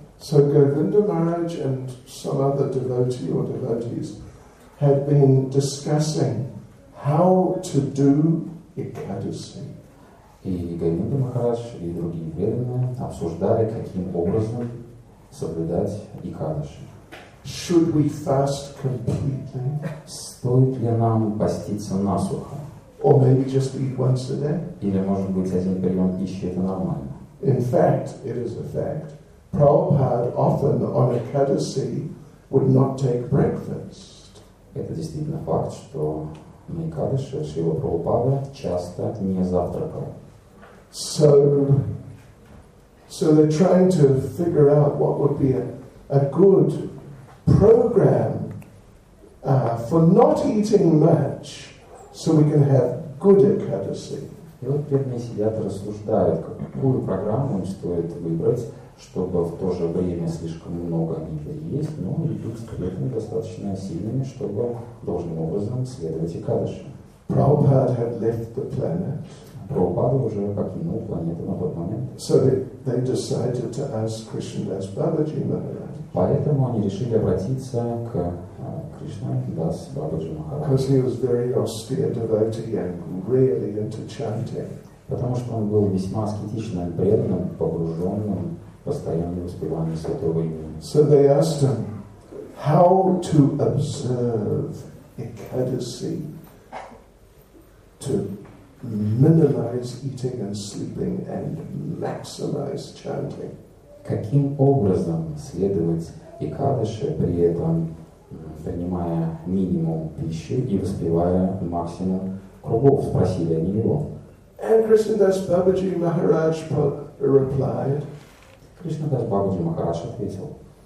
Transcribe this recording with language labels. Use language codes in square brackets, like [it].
[en] So Govinda Maharaj and some other devotee or devotees had been discussing how to do Ekadasi. [ru] И Говинда Махарадж и другие преданные обсуждали, каким образом соблюдать Экадаши. [en] Should we fast completely? [ru] Стоит ли нам поститься насухо? [en] Or maybe just eat once a day? [ru] Или, может быть, один прием пищи – это нормально? [en] In fact, it is a fact, Prabhupada often on Ekadasi would not take breakfast. [ru] Это действительно факт, что на Экадаше Шрила Прабхупада часто не завтракал. [en] So they're trying to figure out what would be a good program for not eating much, so we can have good Ekadasi. [ru] И вот бедные сидят и рассуждают, какую программу им стоит выбрать, чтобы в то же время слишком много не есть, но идут с клетками достаточно сильными, чтобы должным образом следовать Экадаши. [en] Prabhupada had left the planet. [ru] Прабхупада уже покинул планету на тот момент. [en] So they decided to ask Krishnadas Babaji Maharaj. [ru] Поэтому они решили обратиться к Кришнадас Бабаджи Махараджу. [en] Because he was very austere devotee and really into chanting. [ru] Потому что он был весьма аскетичным, преданным, погруженным, постоянно воспеванием святого имени. [en] So they asked him how to observe Ekadasi to minimize eating and sleeping and maximize chanting. [ru] Каким образом следовать Экадаше, при этом принимая минимум пищи и воспевая максимум кругов, спросили они его. [en] And Krishnadas Babaji Maharaj replied. [ru] Krishnadas Babaji Maharaj ответил.